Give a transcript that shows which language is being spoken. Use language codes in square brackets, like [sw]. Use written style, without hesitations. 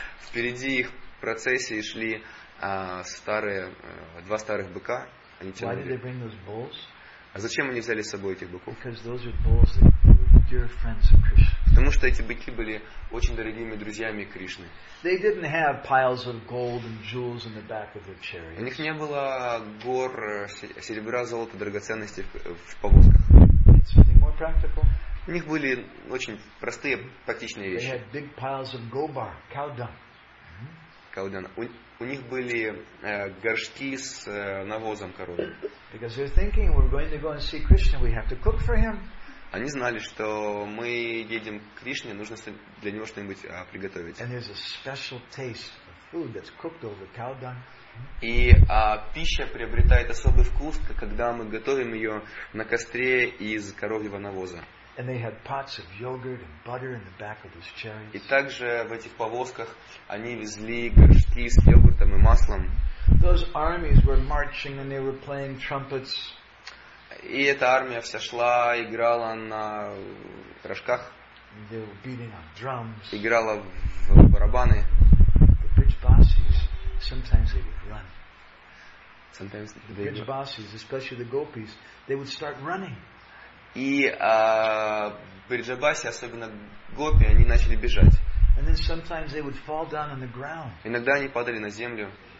[ru] Впереди их процессии шли два старых быка. Они тянули. [en] Why did they bring those bulls? [ru] А зачем они взяли с собой этих быков? [en] Because those are bulls that were dear friends of Krishna. [ru] Потому что эти быки были очень дорогими друзьями Кришны. [en] They didn't have piles of gold and jewels in the back of their chariots. [ru] У них не было гор серебра, золота, драгоценностей в повозках. [en] Something more practical. [ru] У них были очень простые практичные вещи. [en] They had big piles of gobar, cow dung. [ru] У них были горшки с навозом коровьим. [en] Because they're thinking we're going to go and see Krishna, we have to cook for him. [ru] Они знали, что мы едем к Кришне, нужно для него что-нибудь приготовить. [en] And there's a special taste of food that's cooked over cow dung. [ru] И пища приобретает особый вкус, когда мы готовим ее на костре из коровьего навоза. [en] And they had pots of yogurt and butter in the back of those chariots. [ru] И также в этих повозках они везли горшки с йогуртом и маслом. [en] Those armies were marching and they were playing trumpets. [ru] И эта армия вся шла, играла на рожках. [en] They were beating on drums. [ru] Играла в барабаны. [en] The bridge bossies, sometimes they would run. Sometimes the bridge bossies, especially the gopis, they would start running. [ru] И бриджабаси, особенно гопи, они начали бежать. Иногда они падали на землю.